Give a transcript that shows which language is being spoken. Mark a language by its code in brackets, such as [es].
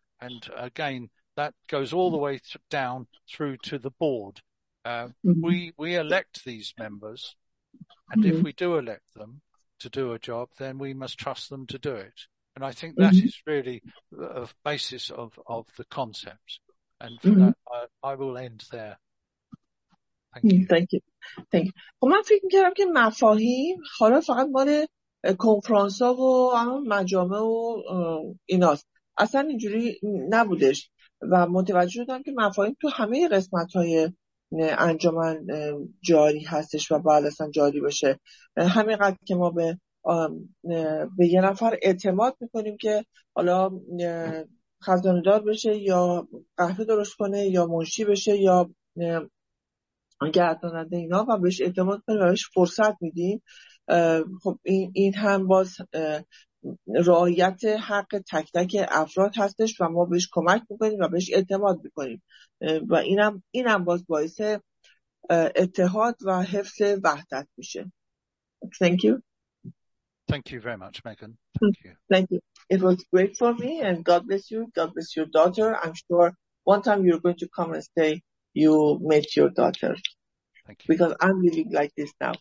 [en] And again, that goes all the way down through to the board. Mm-hmm. We elect these members, and mm-hmm. if we do elect them to do a job, then we must trust them to do it. And I think that mm-hmm. is really a basis of the concept. And for mm-hmm. that, I will end there. Thank you. [fa] من فکر میکردم که مفاهیم حالا فقط مال کنفرانس ها و مجامع و ایناست. اصلا اینجوری نبودش و متوجه شدم که مفاهیم تو همه قسمت های انجمن جاری هستش و باید اصلا جاری بشه. همینقدر که ما به یه نفر اعتماد میکنیم که حالا خزانه دار بشه یا قهوه درست کنه یا منشی بشه یا گرداننده اینا و بهش اعتماد کنیم و بهش فرصت میدیم، خب این هم باز رعایت حق تک تک افراد هستش و ما بهش کمک میکنیم و بهش اعتماد میکنیم و اینم باز باعث اتحاد و حفظ وحدت میشه. [en] Thank you. Thank you very much, Megan. Thank you. It was great for me, and God bless you. God bless your daughter. I'm sure one time you're going to come and stay. You met your daughter. Thank you. Because I'm living like this now.